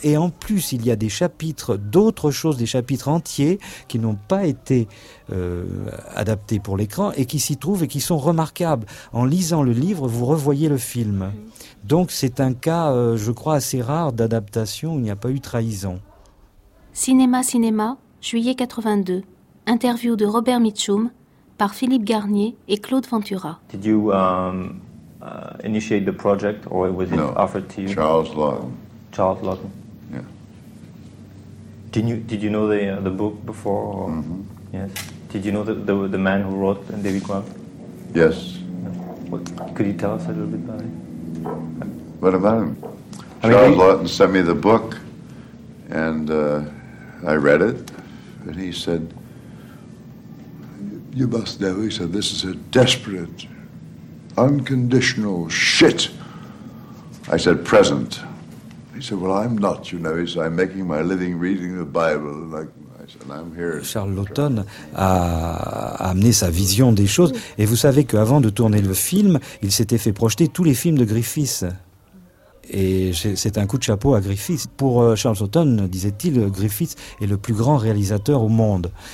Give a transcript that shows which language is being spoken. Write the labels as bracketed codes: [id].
[fr] Et en plus, il y a des chapitres d'autres choses, des chapitres entiers qui n'ont pas été adaptés pour l'écran et qui s'y trouvent et qui sont remarquables. En lisant le livre, vous revoyez le film. Donc c'est un cas, je crois, assez rare d'adaptation où il n'y a pas eu trahison. Cinéma, juillet 82. Interview de Robert Mitchum par Philippe Garnier et Claude Ventura. [en] Did you initiate the project or was it offered to you? Charles Laughton. Yeah. Did you know the book before? Mm-hmm. Yes. Did you know the man who wrote David Graff? Yes. Could you tell us a little bit about it? What about him? Charles Laughton sent me the book, and I read it, and he said, "You must know," he said, "this is a desperate, unconditional shit." I said, "Present." He said, "Well, I'm not, you know." He said, "I'm making my living reading the Bible." Like I said, "I'm here." [fr] Charles Laughton a amené sa vision des choses, et vous savez qu'avant de tourner le film, il s'était fait projeter tous les films de Griffiths. Et c'est un coup de chapeau à Griffiths. Pour Charles Laughton, disait-il, Griffiths est le plus grand réalisateur au monde.